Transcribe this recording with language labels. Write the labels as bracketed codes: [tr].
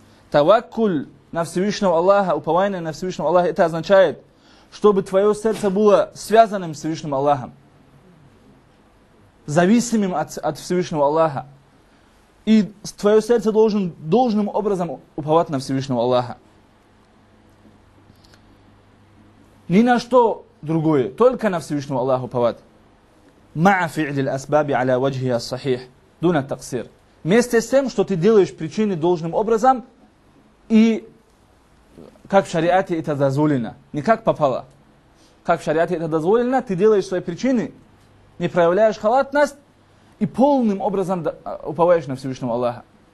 [ru] Таваккуль на Всевышнего Аллаха, упование на Всевышнего Аллаха, это означает, чтобы твое сердце было связанным с Всевышним Аллахом, зависимым от Всевышнего Аллаха. И твое сердце должен должным образом уповать на Всевышнего Аллаха. Ни на что другое, только на Всевышнего Аллаха уповать. [ar] مع فعل الأسباب على وجهها الصحيح دون التقصير. [ru] Вместе с тем, что ты делаешь причины должным образом и как в шариате это дозволено, не как попало. Как в шариате это дозволено, ты делаешь свои причины, не проявляешь халатность и полным образом уповаешь на Всевышнего Аллаха.